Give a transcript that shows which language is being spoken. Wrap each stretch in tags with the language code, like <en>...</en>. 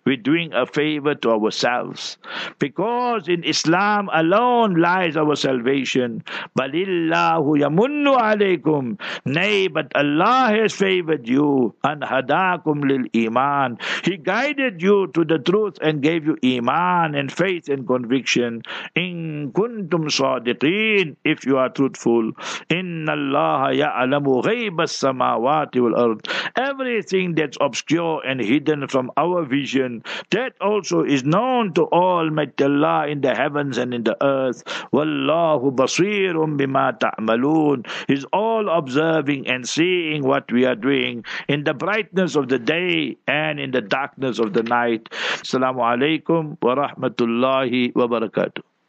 <en>We're doing a favor to ourselves. Because in Islam alone lies our salvation.</en> <ar>Balillahu yamunnu alaykum.</ar> <en>Nay, but Allah has favored you. And</en> <ar>hadakum lil iman.</ar> <en>He guided you to the truth and gave you iman and faith and conviction.</en> <ar>In kuntum sadiqeen.</ar> <en>If you are truthful,</en> <ar>إِنَّ اللَّهَ يَعْلَمُ غَيْبَ السَّمَاوَاتِ وَالْأَرْضِ.</ar> <en>Everything that's obscure and hidden from our vision, that also is known to Almighty Allah in the heavens and in the earth.</en> <ar>وَاللَّهُ بَصِيرٌ بِمَا تَعْمَلُونَ.</ar> <en>He's all observing and seeing what we are doing in the brightness of the day and in the darkness of the night.</en> <ar>Assalamu alaikum wa rahmatullahi wa barakatuh.</ar>